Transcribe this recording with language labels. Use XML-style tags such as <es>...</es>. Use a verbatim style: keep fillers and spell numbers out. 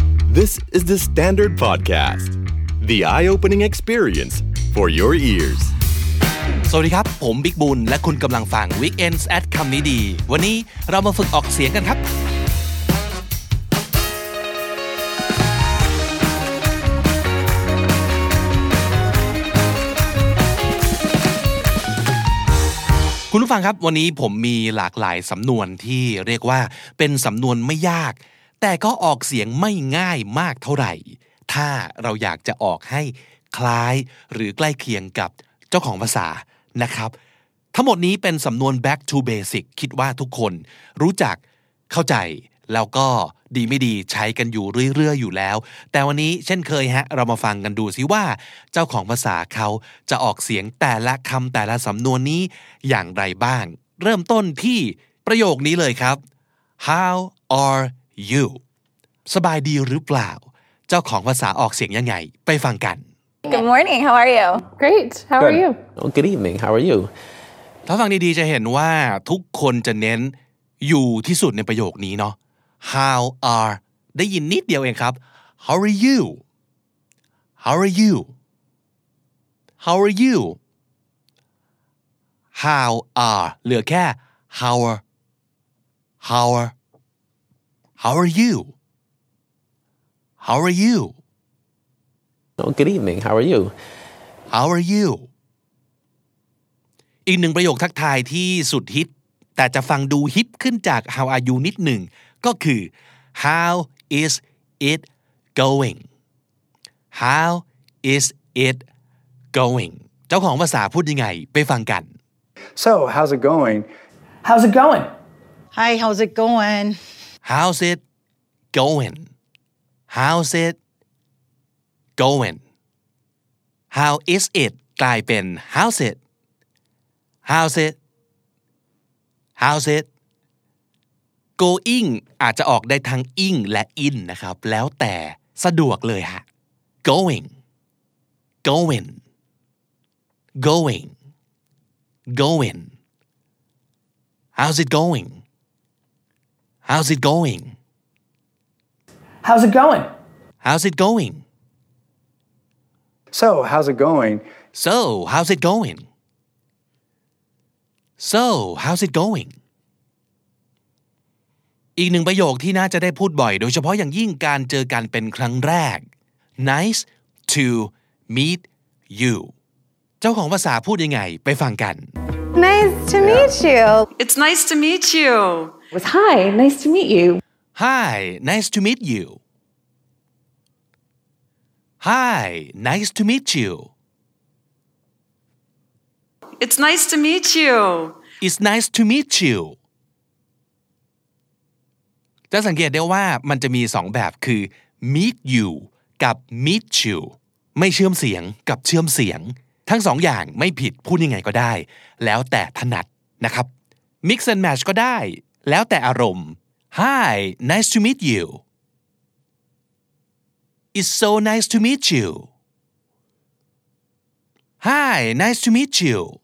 <en>This is the Standard Podcast, the eye-opening experience for your ears.</en> <th>สวัสดีครับผมบิ๊กบุญและคุณกำลังฟัง Weekends at คำนี้ดีวันนี้เรามาฝึกออกเสียงกันครับ คุณผู้ฟังครับวันนี้ผมมีหลากหลายสำนวนที่เรียกว่าเป็นสำนวนไม่ยากแต่ก็ออกเสียงไม่ง่ายมากเท่าไหร่ถ้าเราอยากจะออกให้คล้ายหรือใกล้เคียงกับเจ้าของภาษานะครับ ทั้งหมดนี้เป็นสำนวน back to basic คิดว่าทุกคนรู้จักเข้าใจแล้วก็ดีไม่ดีใช้กันอยู่เรื่อยๆอยู่แล้วแต่วันนี้เช่นเคยฮะเรามาฟังกันดูซิว่าเจ้าของภาษาเขาจะออกเสียงแต่ละคำแต่ละสำนวนนี้อย่างไรบ้างเริ่มต้นที่ประโยคนี้เลยครับ how are you สบายดีหรือเปล่าเจ้าของภาษาออกเสียงยังไงไปฟังกัน</th> <en>Good morning how are you Great how Good. are you Oh, good evening how are you ถ้าฟังดีๆจะเห็นว่าทุกคนจะเน้นอยู่ที่สุดในประโยคนี้เนาะ How are ได้ยินนิดเดียวเองครับ How are you How are you How are you How are เหลือแค่ How are How are How are you How are you Oh, good evening how are you</en> <th>How are you อีกหนึ่งประโยคทักทายที่สุดฮิตแต่จะฟังดูฮิปขึ้นจาก How are you นิดหนึ่งก็คือ how is it going how is it going เจ้าของภาษาพูดยังไงไปฟังกัน</th> <en>so how's it going how's it going hi how's it going how's it going how's it going how is it กลายเป็น how's it how's it how's it going อาจจะออกได้ทั้ง ing และ in นะครับแล้วแต่สะดวกเลยฮะ going going going going how's it going how's it going how's it going how's it going so how's it going</en> <th>so how's it going so how's it goingอีกหนึ่งประโยคที่น่าจะได้พูดบ่อยโดยเฉพาะอย่างยิ่งการเจอกันเป็นครั้งแรก Nice to meet you เจ้าของภาษาพูดยังไงไปฟังกัน</th> <en>Nice to meet you It's nice to meet you It was Hi nice to meet you Hi nice to meet you Hi nice to meet you It's nice to meet you</en> <th>It's nice to meet you จะสังเกตได้ว่ามันจะมีสองแบบคือ meet you กับ meet you ไม่เชื่อมเสียงกับเชื่อมเสียงทั้งสองอย่างไม่ผิดพูดยังไงก็ได้แล้วแต่ถนัดนะครับ mix and match ก็ได้แล้วแต่อารมณ์ Hi nice to meet you It's so nice to meet you Hi nice to meet you</th>